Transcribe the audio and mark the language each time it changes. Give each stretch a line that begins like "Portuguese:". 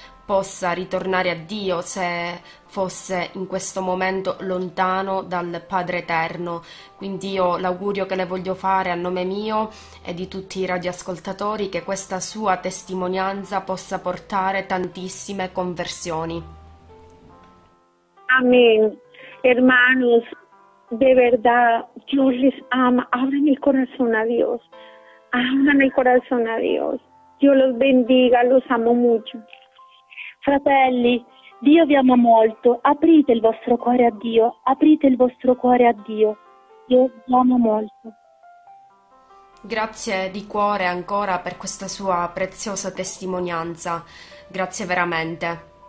Italian: possa ritornare a Dio se fosse in questo momento lontano dal Padre Eterno. Quindi io l'augurio che le voglio fare a nome mio e di tutti i radioascoltatori che questa sua testimonianza possa portare tantissime conversioni.
Spanish: Amén, hermanos, de verdad, Dios les ama, abran el corazón a Dios, abran el corazón a Dios, Dios los bendiga, los amo mucho.
Italian: Fratelli, Dio vi ama molto, aprite il vostro cuore a Dio, aprite il vostro cuore a Dio, io vi amo molto. Grazie di cuore ancora per questa sua preziosa testimonianza. Grazie veramente.